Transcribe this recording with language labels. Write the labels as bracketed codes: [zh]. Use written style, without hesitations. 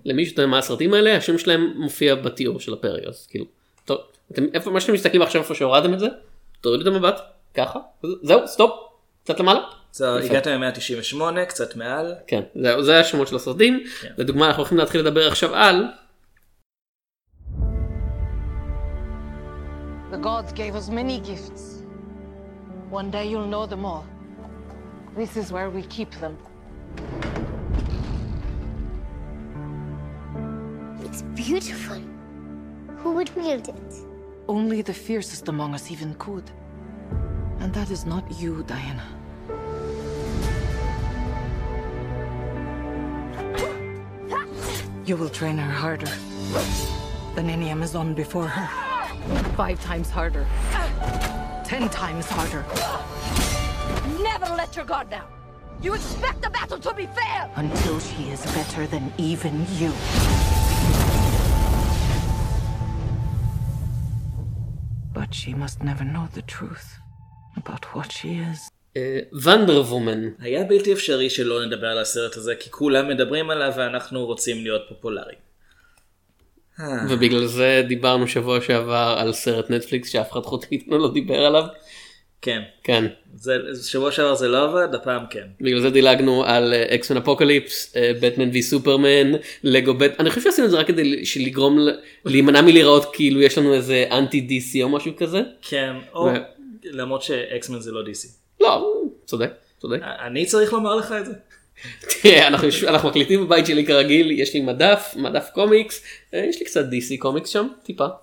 [he] למי שאתה יודע מה הסרטים האלה, השם שלהם מופיע בתיאור של הפרק. אז כאילו, טוב, אתם, איפה, מה שאתם מסתכלים עכשיו איפה שהורדתם את זה, תורידו את המבט, ככה, זהו, סטופ, קצת למעלה. הגעת ל-198, קצת מעל. כן, זהו, זה השמות של הסרטים. לדוגמה, אנחנו הולכים להתחיל לדבר עכשיו על... [en] The gods gave us many gifts. One day you'll know them all. This is where we keep them. It's beautiful. Who would wield it? Only the fiercest among us even could. And that is not you, Diana. You will train her harder than any Amazon before her. 5 times harder. 10 times harder. Never let your guard down. You expect the battle to be fair. Until she is better than even you. But she must never know the truth about what she is. Wonder Woman. [he] היה בלתי אפשרי שלא נדבר על הסרט הזה, כי כולם מדברים עליו ואנחנו רוצים להיות פופולריים. ובגלל זה דיברנו שבוע שעבר על סרט נטפליקס שאף אחד חוץ מאיתנו לא דיבר עליו. כן. כן. שבוע שעבר זה לא עבד, הפעם כן. בגלל זה דילגנו על X-Men Apocalypse, Batman v Superman, Lego Batman. אני חושב שעשינו את זה רק כדי לגרום, להימנע מלראות כאילו יש לנו איזה anti-DC או משהו כזה. כן, או למרות ש-X-Men זה לא DC. לא, צודק, צודק. אני צריך לומר לך את זה. תראה, אנחנו מקליטים בבית שלי כרגיל, יש לי מדף קומיקס, יש לי קצת DC קומיקס שם, טיפה.